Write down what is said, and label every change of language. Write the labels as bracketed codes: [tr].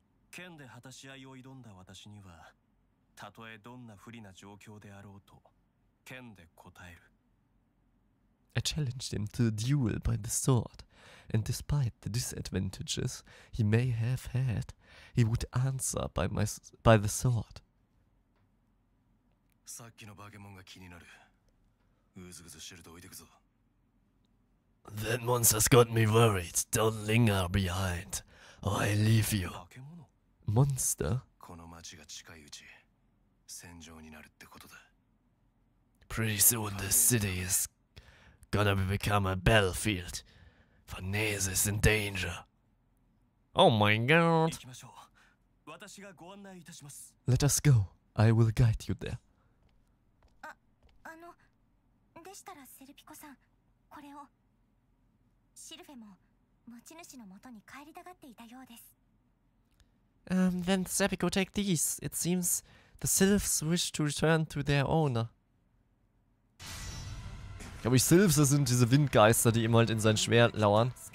[ja] 剣で果たし合いを挑んだ私には、たとえどんな不利な状況であろうと、剣で答える。 [en] I challenged him to a duel by the sword, and despite the disadvantages he may have had, he would answer by the sword. [ja] さっきのバケモンが気になる。うずぐずしてると置いてくぞ。 [en] That monster's got me worried. Don't linger behind. I leave you. Monster? [ja] この町が近いうち、戦場になるってことだ。 [en] Pretty soon this city is gonna become a battlefield. Farnese is in danger. Oh my god. [ja] 行きましょう。私がご案内いたします。 [en] Let us go. I will guide you there. [ja] あの、でしたらセルピコさん、これを。シルフェも持ち主の元に帰りたがっていたようです。 [en] Then Sepiko take these. It seems the Sylphs wish to return to their owner. [de] Ich glaube, Sylphs sind diese Windgeister, die immer halt in sein Schwert lauern.